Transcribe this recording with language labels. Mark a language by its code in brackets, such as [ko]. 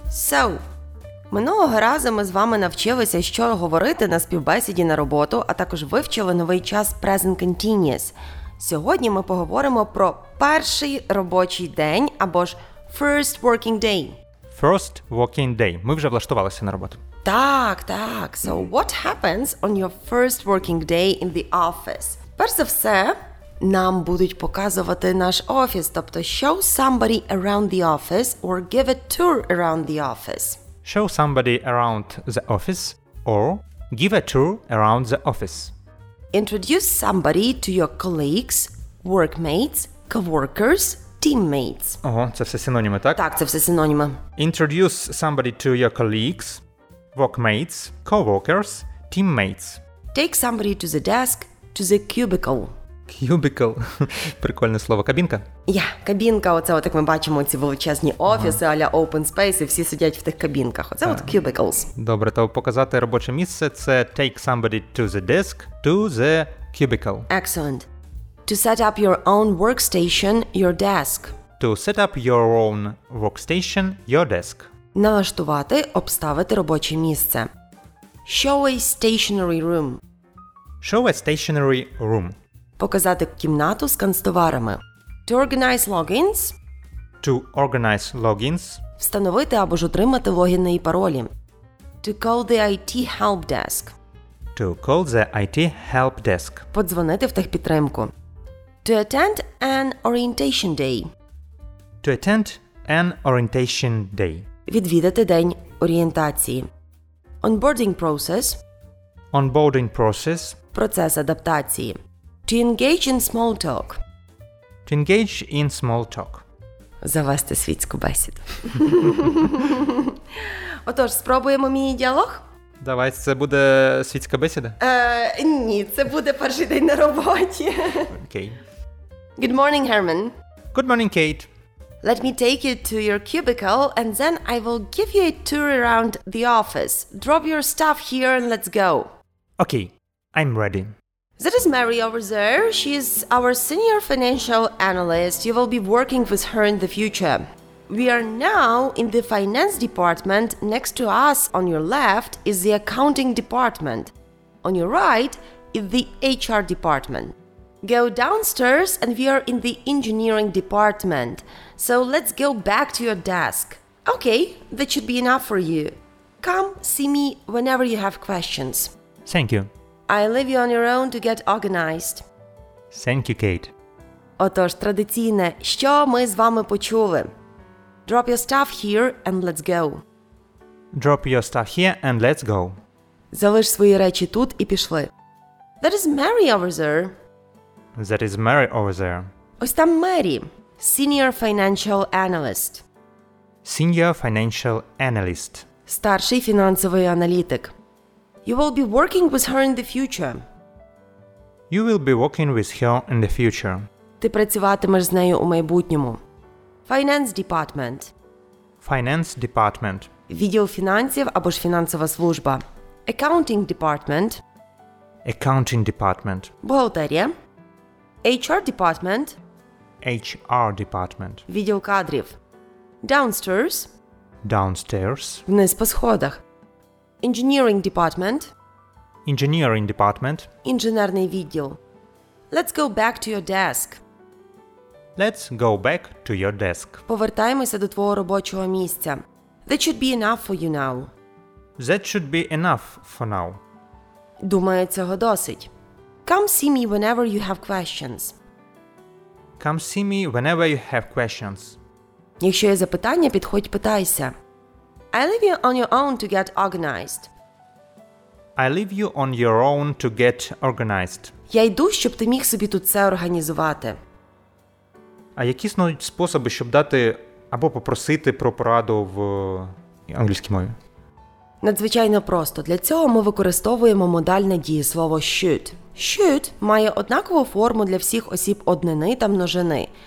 [uk] So, минулого разу ми з вами навчилися, що говорити на співбесіді на роботу, а також вивчили новий час «Present Continuous». Сьогодні ми поговоримо про перший робочий день, або ж [en] first working day. First working day. [uk] Ми вже влаштувалися на роботу. Так, так. [en] So what happens on your first working day in the office? [uk] Перш за все, нам будуть показувати наш офіс, тобто [en] show somebody around the office [uk] or give a tour around the office. [en] Show somebody around the office or give a tour around the office. Introduce somebody to your colleagues, workmates, coworkers, teammates. [uk] Ого, це все синоніми, так? Так, це все синоніми. [en] Introduce somebody to your colleagues, workmates, coworkers, teammates. Take somebody to the desk, to the cubicle. [uk] Cubicle. Прикольне слово. Кабінка? Yeah, кабінка. Оце от як ми бачимо ці величезні офіси, а-ля open space, і всі сидять в тих кабінках. Оце от cubicles. Добре, то показати робоче місце – це [en] take somebody to the desk, to the cubicle. Excellent. To set up your own workstation, your desk. To set up your own workstation, your desk. [uk] Налаштувати, обставити робоче місце. [en] Show a stationary room. Show a stationary room. [uk] Показати кімнату з канцтоварами. [en] To organize logins. To organize logins. [uk] Встановити або ж отримати логіни і паролі. [en] To call the IT help desk. To call the IT help desk. [uk] Подзвонити в техпідтримку. [en] To attend an orientation day. To attend an orientation day. [uk] Відвідати день орієнтації. [en] Onboarding process. Onboarding process. [uk] Процес адаптації. [en] To engage in small talk. To engage in small talk. [uk] Завести світську бесіду. Отож, спробуємо мій діалог? Давай, це буде світська бесіда? Ні, це буде перший день на роботі. Окей. [en] Good morning, Herman. Good morning, Kate. Let me take you to your cubicle and then I will give you a tour around the office. Drop your stuff here and let's go. Окей, okay, I'm ready. That is Mary over there. She is our senior financial analyst. You will be working with her in the future. We are now in the finance department. Next to us, on your left, is the accounting department. On your right is the HR department. Go downstairs and we are in the engineering department. So let's go back to your desk. Okay, that should be enough for you. Come see me whenever you have questions. Thank you. I leave you on your own to get organized. Thank you, Kate. [uk] Отож, традиційне, що ми з вами почули? [en] Drop your stuff here and let's go. Drop your stuff here and let's go. [uk] Залиш свої речі тут і пішли. [en] That is Mary over there. That is Mary over there. [uk] Ось там Мері, [en] senior financial analyst. Senior financial analyst. [uk] Старший фінансовий аналітик. [en] You will be working with her in the future. You will be working with her in the future. [uk] Ти працюватимеш з нею у майбутньому. [en] Finance department. Finance department. [uk] Відділ фінансів або ж фінансова служба. [en] Accounting department. Accounting department. Бухгалтерія. HR department. HR department. [uk] Відділ кадрів. Downstairs. [en] Downstairs. [uk] Вниз по сходах. [en] Engineering department. Engineering department. [uk] Інженерний відділ. [en] Let's go back to your desk. Let's go back to your desk. [uk] Повертаємося до твого робочого місця. [en] That should be enough for you now. That should be enough for now. [uk] Думаю, цього досить. [en] Come see me whenever you have questions. Come see me whenever you have questions. [uk] Якщо є запитання, підходь, питайся. [en] I leave you on your own to get organized. I leave you on your own to get organized. [uk] Я йду, щоб ти міг собі тут все організувати. А які існують способи, щоб дати або попросити про пораду в англійській мові? Надзвичайно просто. Для цього ми використовуємо модальне дієслово should. Should має однакову форму для всіх осіб однини та множини.